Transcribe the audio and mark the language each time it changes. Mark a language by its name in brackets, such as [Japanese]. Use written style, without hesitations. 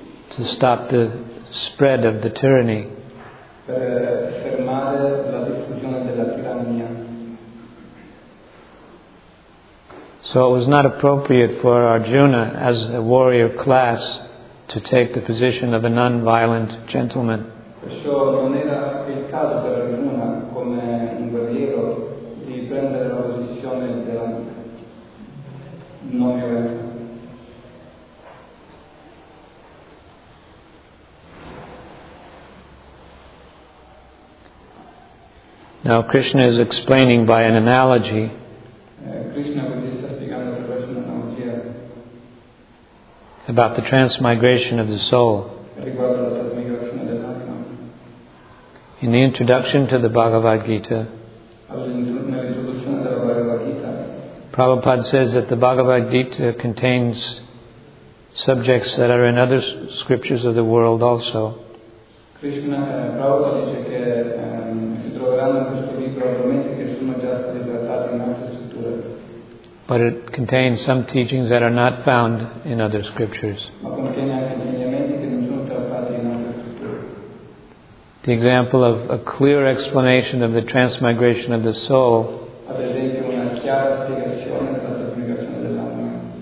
[English] To stop the spread of the tyranny. [Italian] Per fermare la diffusione della tirannia. [English] So it was not appropriate for Arjuna as a warrior class to take the position of a non-violent gentleman. [Italian] Perciò non era il caso per Arjuna come un guerriero di prendere la posizione della non violenza. [English] Now Krishna is explaining by an analogy. [Italian] Krishna sta spiegando attraverso un'analogia [English] about the transmigration of the soul. [Italian] Riguardo la trasmigrazione dell'anima. [English] In the introduction to the Bhagavad Gita, [Italian] nell'introduzione della Bhagavad Gita, [English] Prabhupada says that the Bhagavad Gita contains subjects that are in other scriptures of the world also. [Italian] Krishna Prabhupada dice che troveranno in questo libro argomenti che sono già stati trattati in altre scritture. [English] But it contains some teachings that are not found in other scriptures. [Italian] Ma contiene anche insegnamenti che non sono trattati in altre scritture. [English] The example of a clear explanation of the transmigration of the soul. [Italian] Ad esempio una chiara spiegazione della trasmigrazione dell'anima.